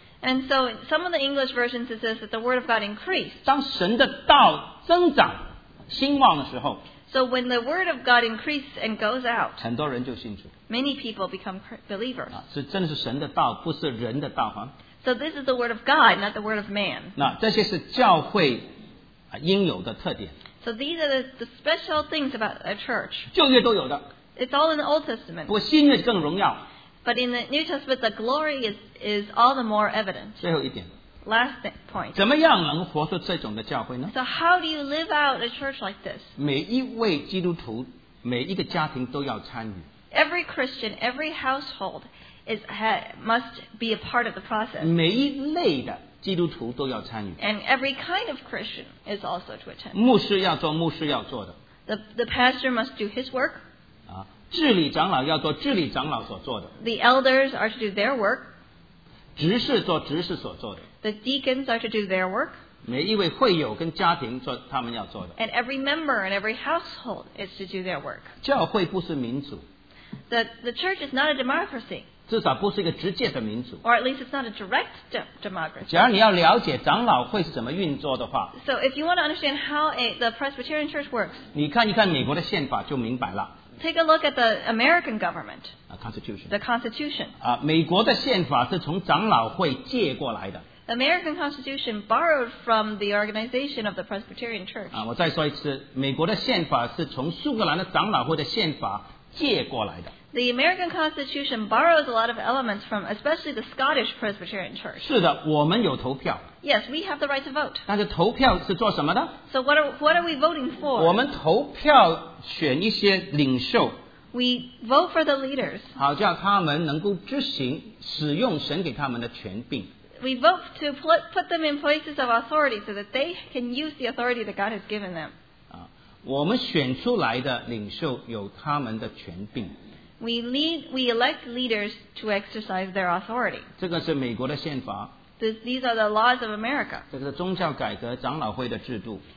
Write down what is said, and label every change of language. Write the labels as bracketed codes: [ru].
[en] and so some of the English versions it says that the word of God increased. [zh] 当神的道增长, 兴旺的时候, [en] so when the word of God increased and goes out, [zh] 很多人就信主, [en] many people become believers. [zh] 是真的是神的道, 不是人的道, [en] so this is the word of God, not the word of man. [zh] 那这些是教会应有的特点, [en] so these are the special things about a church. [zh] 旧约都有的, [en] it's all in the Old Testament. [zh] 不过新约更荣耀, [en] but in the New Testament, the glory is all the more evident. [zh] 最后一点, [en] last point, [zh] 怎么样能活出这种的教会呢? [en] So how do you live out a church like this? [zh] 每一位基督徒, 每一个家庭都要参与, [en] every Christian, every household must be a part of the process. [zh] 每一类的基督徒都要参与, [en] and every kind of Christian is also to attend. [zh] 牧师要做牧师要做的, [en] the pastor must do his work. [zh] 啊，治理长老要做治理长老所做的。 [en] The elders are to do their work. [zh] 执事做执事所做的。 [en] The deacons are to do their work. [zh] 每一位会友跟家庭做他们要做的。 [en] And every member and every household is to do their work. [zh] 教会不是民主。 [en] The church is not a democracy. [zh] 至少不是一个直接的民主。 [en] Or at least it's not a direct democracy. [zh] 假如你要了解长老会是怎么运作的话。 [en] So if you want to understand how the Presbyterian church works. [zh] 你看一看美国的宪法就明白了。 [en] Take a look at the American government. Constitution. The Constitution. [zh] 啊，美国的宪法是从长老会借过来的。 [en] The American Constitution borrowed from the organization of the Presbyterian Church. [zh] 啊，我再说一次，美国的宪法是从苏格兰的长老会的宪法借过来的。 [en] The American Constitution borrows a lot of elements from, especially the Scottish Presbyterian Church. [zh] 是的，我们有投票。 [en] Yes, we have the right to vote. [zh] 但是投票是做什么的？ [en] So what are we voting for? [zh] 我们投票选一些领袖。 [en] We vote for the leaders. [zh] 好，叫他们能够执行、使用神给他们的权柄。 [en] We vote to put them in places of authority so that they can use the authority that God has given them. [zh] 啊，我们选出来的领袖有他们的权柄。 [en] We elect leaders to exercise their authority. [zh] 这个是美国的宪法。 [en] These are the laws of America. [zh] 这个是宗教改革长老会的制度。